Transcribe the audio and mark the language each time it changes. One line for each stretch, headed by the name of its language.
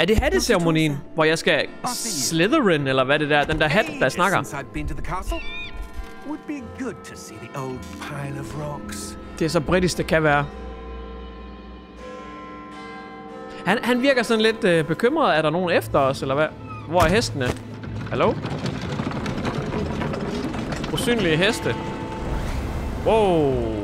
Danish: Er det hatteceremonien, hvor jeg skal Slytherin, eller hvad det der? Den der hat, der snakker.
English: Since I've been to the castle, would be good to see the old pile of rocks.
Danish: Det er så britisk, det kan være. Han virker sådan lidt bekymret. Er der nogen efter os, eller hvad? Hvor er hestene? Hallo? Usynlige heste. Wow.